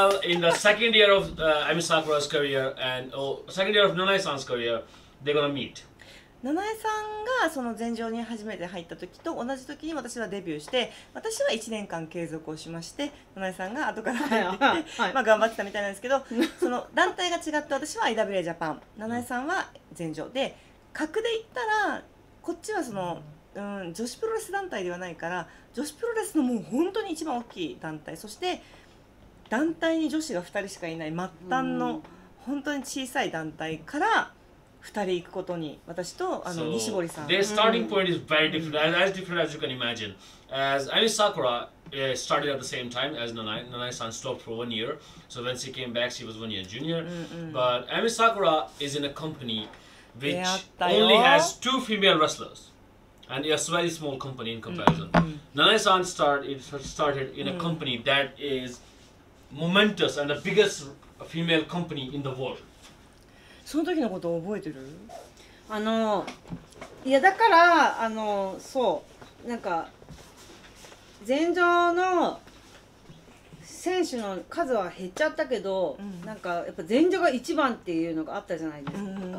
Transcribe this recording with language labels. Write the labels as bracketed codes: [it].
[en] And while in the second year of Ami Sakura's career and second year of Nanae-san's career, they're gonna meet. [ja] 七重さんがその前場に初めて入った時と同じ時に私はデビューして、私は1年間継続をしまして、七重さんが後から入ってきて、まあ頑張ってたみたいなんですけど、その団体が違って、私は IWA ジャパン、七重さんは前場で、格で言ったらこっちはその、女子プロレス団体ではないから、女子プロレスのもう本当に一番大きい団体、そして団体に女子が2人しかいない末端の本当に小さい団体から二人行くことに、私とあの、西堀さん。 [en] So, their starting point is very different, as different as you can imagine. As Ami Sakura started at the same time as Nanae. Nanae-san stopped for 1 year. So when she came back, she was 1 year junior. But Ami Sakura is in a company which only has 2 female wrestlers. And it's a very small company in comparison. Nanae-san started in a company that is momentous and the biggest female company in the world. [ja] その時のことを覚えてる？あの、いやだからあの、そう、なんか前場の選手の数は減っちゃったけど、なんかやっぱ前場が一番っていうのがあったじゃないですか。